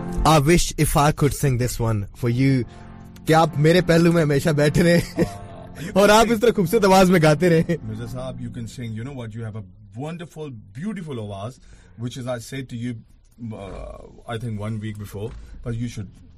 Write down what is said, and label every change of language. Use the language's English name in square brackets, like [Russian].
[English] I wish if I could sing this one for you. [Hindi] कि आप मेरे पहलू में हमेशा बैठे रहे और आप इस तरह खूबसूरत आवाज में गाते रहे. [English] Mirza sahab, you can sing. You know what? You have a wonderful, beautiful awaaz, which is I said to you, I think 1 week before, but you should.